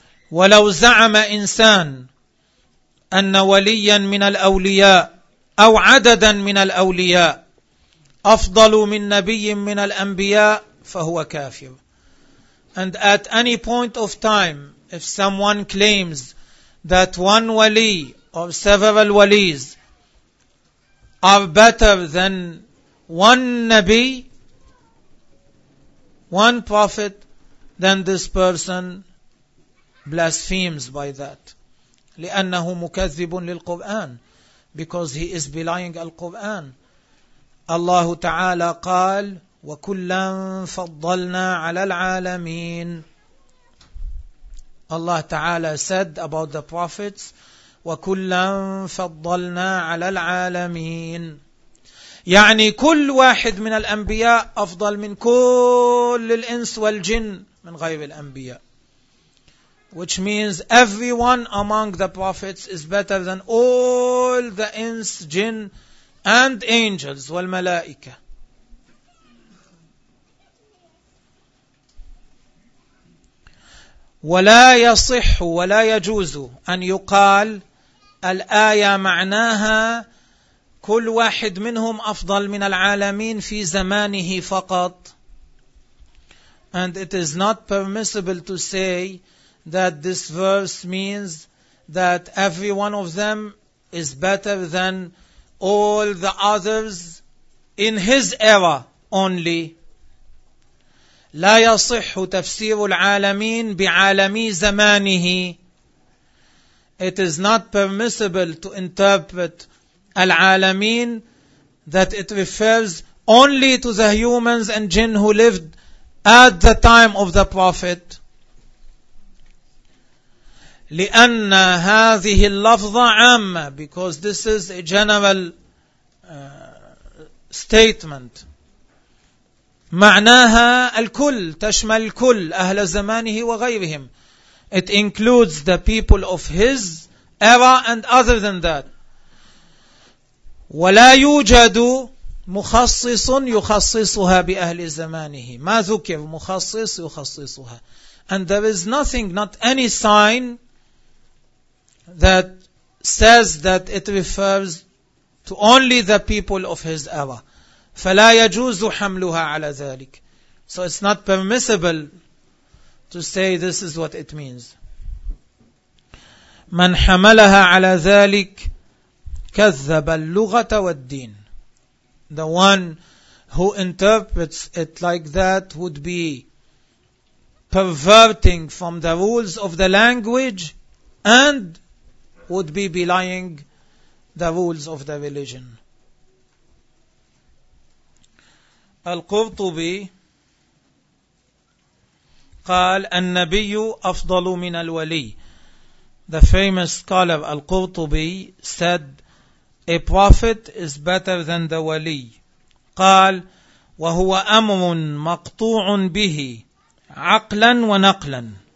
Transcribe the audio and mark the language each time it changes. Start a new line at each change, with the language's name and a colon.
Arabic: ولو زعم إنسان أن وليا من الأولياء أو عددا من الأولياء أفضل من نبي من الأنبياء فهو كافر.
English: And at any point of time, if someone claims that one wali or several walis are better than one Nabi, one prophet, then this person blasphemes by that.
Arabic: لأنه مكذب للقرآن,
English: because he is belying القرآن.
Arabic: الله تعالى قال وَكُلًّا فَضَّلْنَا عَلَى الْعَالَمِينَ. الله تعالى
English: said about the prophets
Arabic: وَكُلًّا فَضَّلْنَا عَلَى الْعَالَمِينَ, يعني كل واحد من الأنبياء أفضل من كل الإنس والجن من غير الأنبياء.
English: Which means everyone among the prophets is better than all the ins, jinn and angels والملائكة.
Arabic: وَلَا يَصِحُّ وَلَا يَجُوزُ أَنْ يُقَالْ الآية معناها كل واحد منهم أفضل من العالمين في زمانه فقط.
English: And it is not permissible to say that this verse means that every one of them is better than all the others in his era only.
Arabic: لا يصح تفسير العالمين بعالمي زمانه.
English: It is not permissible to interpret al-alamin that it refers only to the humans and jinn who lived at the time of the Prophet.
Arabic: لأن هذه اللفظة عامة,
English: because this is a general statement.
Arabic: معناها الكل, تشمل الكل, أهل زمانه وغيرهم.
English: It includes the people of his era and other than that.
Arabic: وَلَا يُوجَدُ مُخَصِّصٌ يُخَصِّصُهَا بِأَهْلِ زَمَانِهِ مَا ذُكِرْ مُخَصِّصٌ يُخَصِّصُهَا.
English: And there is nothing, not any sign that says that it refers to only the people of his era.
Arabic: فَلَا يَجُوزُ حَمْلُهَا عَلَى ذَلِكَ.
English: So it's not permissible to say this is what it means.
Arabic: مَنْ حَمَلَهَا عَلَى ذَلِكَ كذب اللغة والدين.
English: The one who interprets it like that would be perverting from the rules of the language and would be belying the rules of the religion.
Arabic: Al-Qurtubi قال النبي أفضل من الولي.
English: The famous scholar Al-Qurtubi said, a prophet is better than the wali.
Arabic: قال وهو أمر مقطوع به عقلا ونقلا.